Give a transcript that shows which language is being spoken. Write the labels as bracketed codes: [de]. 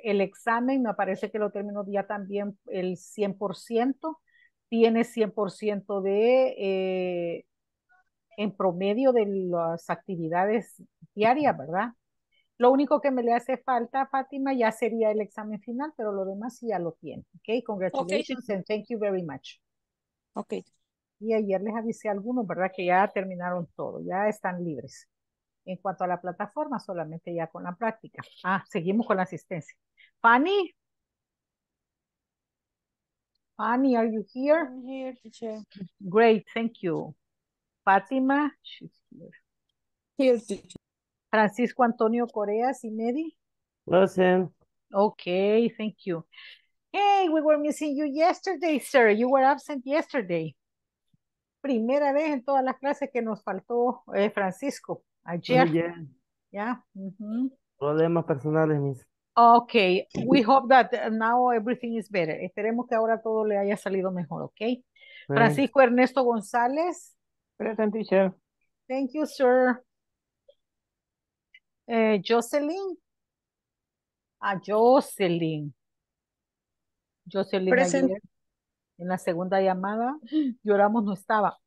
[es] El examen me parece que lo terminó ya también el 100%. Tiene 100% de, en promedio de las actividades diarias, ¿verdad? Lo único que me le hace falta, Fátima, ya sería el examen final, pero lo demás sí ya lo tiene. [en] Ok, congratulations okay. And thank you very much. Okay. [es] Y ayer les avisé a algunos, ¿verdad? Que ya terminaron todo, ya están libres. En cuanto a la plataforma, solamente ya con la práctica. Ah, seguimos con la asistencia. Fanny. [en] Fanny, are you here? I'm here, teacher. Great, thank you. Fátima, she's here. Here, teacher. Francisco Antonio Corea, Cimedi. Listen. Okay, thank you. Hey, we were missing you yesterday, sir. You were absent yesterday. [es] Primera vez en todas las clases que nos faltó Francisco ayer. [en] Yeah. Yeah. Mm-hmm. [es] Problemas personales, mis. [en] Okay, we hope that now everything is better. [es] Esperemos que ahora todo le haya salido mejor, okay? Francisco Ernesto González. [en] Present, teacher. Thank you, sir. Jocelyn. Jocelyn. [es] Jocelyn ayer, en la segunda llamada, lloramos, no estaba.